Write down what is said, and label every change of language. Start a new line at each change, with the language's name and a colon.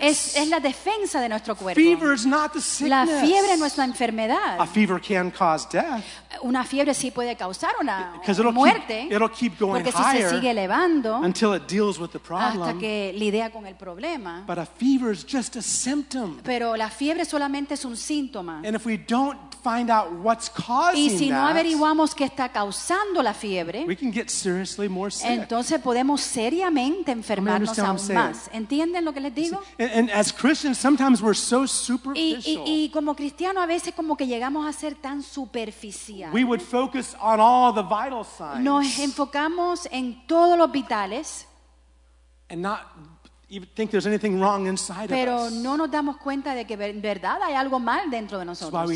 Spanish: Es la defensa de nuestro cuerpo.
English: Fever is not the sickness.
Spanish: La fiebre no es la enfermedad.
English: A fever can cause death.
Spanish: Una fiebre sí puede causar una muerte, porque si se sigue elevando hasta que lidia con el problema.
English: But a fever is just a symptom.
Spanish: Pero la fiebre solamente es un síntoma.
English: And if we don't find out what's causing
Spanish: y si no
English: that,
Spanish: averiguamos qué está causando la fiebre,
English: we can get seriously more sick.
Spanish: Entonces podemos seriamente enfermarnos aún más. ¿Entienden lo que les digo?
English: And as Christians, sometimes we're so superficial.
Spanish: Y como cristiano a veces como que llegamos a ser tan superficial.
English: We would focus on all the vital signs.
Spanish: Nos enfocamos en todos los vitales.
English: And not even think there's anything wrong inside
Spanish: pero
English: of us.
Spanish: Pero no nos damos cuenta de que en verdad hay algo mal dentro de nosotros.